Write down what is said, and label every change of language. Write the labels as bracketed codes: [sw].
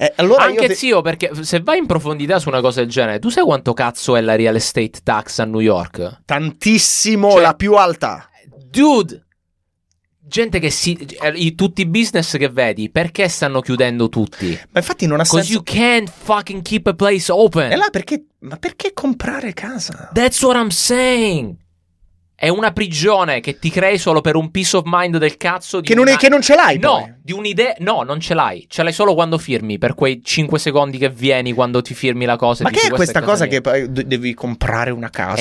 [it] Allora anche io zio, perché se vai in profondità su una cosa del genere, tu sai quanto cazzo è la real estate tax a New York? Tantissimo, cioè, la più alta. Dude, gente che si... tutti i business che vedi, perché stanno chiudendo tutti? Ma infatti non ha senso. [en] Because you can't fucking keep a place open. [it] E là perché... Ma perché comprare casa? [en] That's what I'm saying. [it] È una prigione che ti crei solo per un [en] peace of mind [it] del cazzo. Che non ce l'hai, no, poi. Di un'idea. No, non ce l'hai. Ce l'hai solo quando firmi, per quei 5 secondi che vieni quando ti firmi la cosa. Ma dici, è questa è cosa mia. Che poi devi comprare una casa?